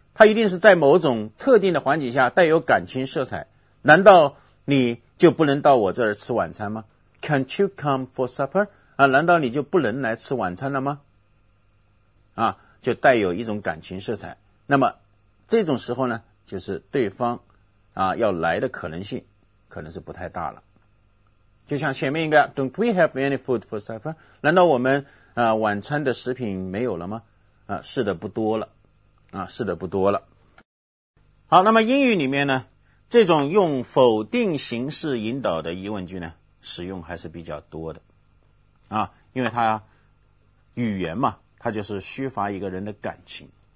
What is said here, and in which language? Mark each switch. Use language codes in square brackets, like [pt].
[zh] 它一定是在某种特定的环境下带有感情色彩，难道你就不能到我这儿吃晚餐吗？ [en] Can't you come for supper? [zh] 难道你就不能来吃晚餐了吗？就带有一种感情色彩。那么这种时候呢，就是对方要来的可能性可能是不太大了。就像前面一个 [en] Don't we have any food for supper? [zh] 难道我们晚餐的食品没有了吗？是的，不多了。是的，不多了。好，那么英语里面呢，这种用否定形式引导的疑问句呢，使用还是比较多的因为它语言嘛，它就是抒发一个人的感情。